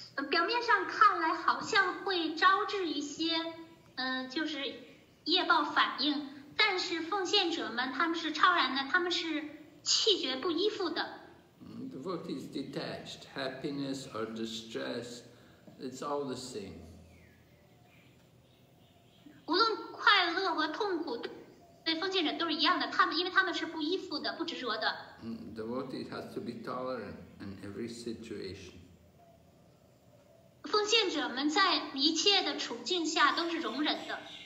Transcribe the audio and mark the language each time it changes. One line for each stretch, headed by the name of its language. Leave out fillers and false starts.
Chinese: 表面上看来好像会招致一些就是业报反应，但是奉献者们他们是超然的，他们是气绝不依附的。
English: Devotee is detached, happiness or distress, it's all the same.
Chinese: 无论快乐和痛苦，对奉献者都是一样的。他们因为他们是不依附的，不执着的。
English: Devotee has to be tolerant in every situation.
Chinese: 奉献者们在一切的处境下都是容忍的。